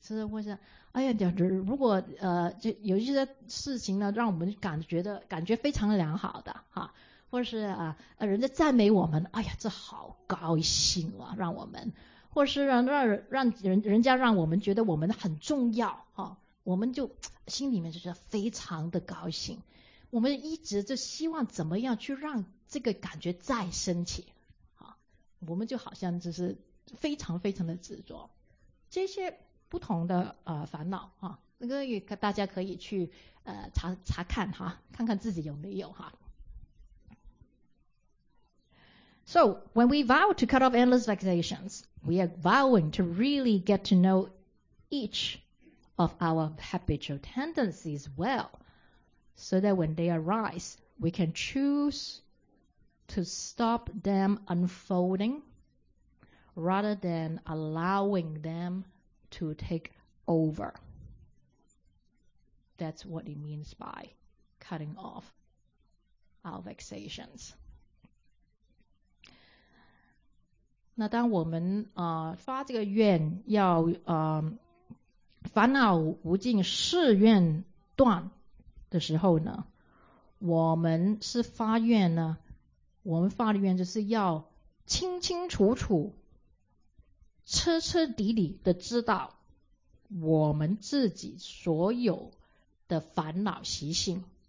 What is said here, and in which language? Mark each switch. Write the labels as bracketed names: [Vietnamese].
[Chinese] 或是哎呀，如果就有一些事情呢让我们感觉非常的良好的哈，或是人家赞美我们，哎呀这好高兴啊，让我们，或是让人家让我们觉得我们很重要哈，我们就心里面就觉得非常的高兴，我们一直就希望怎么样去让这个感觉再升起哈，我们就好像就是非常非常的执着。这些不同的烦恼哈，那个也大家可以去查看哈，看看自己有没有哈。 [English] So when we vow to cut off endless vexations, we are vowing to really get to know each of our habitual tendencies well, so that when they arise, we can choose to stop them unfolding rather than allowing them to take over. That's what it means by cutting off our vexations. [Chinese] 那当我们发这个愿要烦恼无尽誓愿断的时候呢，我们是发愿呢，我们发的愿就是要清清楚楚彻彻底底的知道我们自己所有的烦恼习性，